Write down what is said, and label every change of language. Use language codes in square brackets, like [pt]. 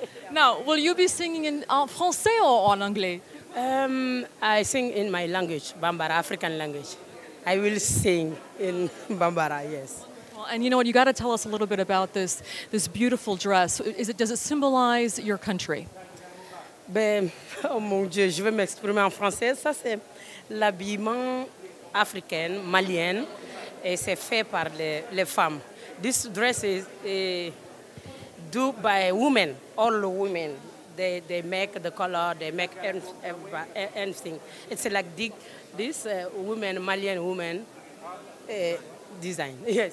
[en] Now, will you be singing in français or en anglais? I sing in my language, Bambara, African language. I will sing in Bambara, yes. Well, and you know what? You got to tell us a little bit about this beautiful dress. Does it symbolize your country? [fr] Ben, oh mon Dieu, je vais m'exprimer en français. Ça, c'est l'habillement africain, malien, et c'est fait par les femmes. [en] This dress is do by women, all women. They make the color, they make everything. It's like this woman, Malian woman, design, yes.